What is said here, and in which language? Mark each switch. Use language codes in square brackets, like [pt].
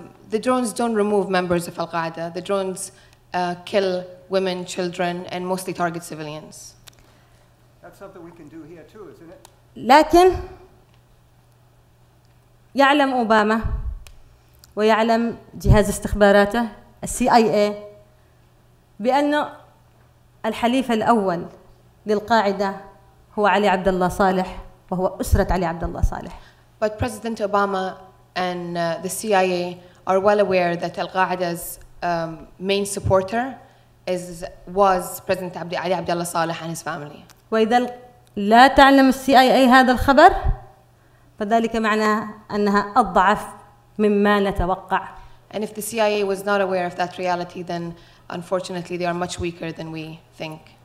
[en] The drones don't remove members of Al-Qaeda. The drones kill women, children, and mostly target civilians. That's something we can do here too, isn't it? [ar] لكن يعلم أوباما ويعلم جهاز استخباراته CIA بأن الحليف الأول للقاعدة هو علي عبد الله صالح وهو أسرة علي عبد الله صالح. [en] But President Obama and the CIA are well aware that Al-Qaeda's main supporter was President علي عبد الله صالح and his family. [ar] وإذا لا تعلم CIA هذا الخبر فذلك معناه أنها أضعف مما نتوقع. [en] And if the CIA was not aware of that reality then unfortunately they are much weaker than we think.